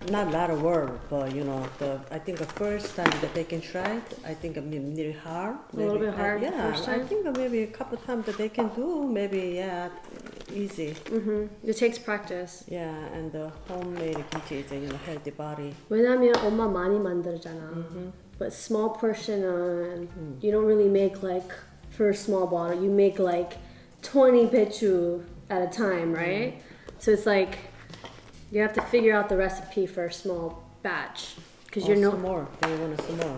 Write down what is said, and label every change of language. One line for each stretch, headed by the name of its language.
English: Not a lot of work, but you know, I think the first time that they can try it, I think it'll be hard. A little bit hard first time? I think maybe a couple of times that they can do, maybe, yeah, easy. Mm-hmm. It takes practice. Yeah, and the homemade kimchi is a you know, healthy body.
Korean: 왜냐면 엄마 많이 만들잖아.
English: But small portion, you don't really make like, for a small bottle, you make like 20 bichu at a time, right? Mm. So it's like, you have to figure out the recipe for a small batch. Cause you're some more. They want some more.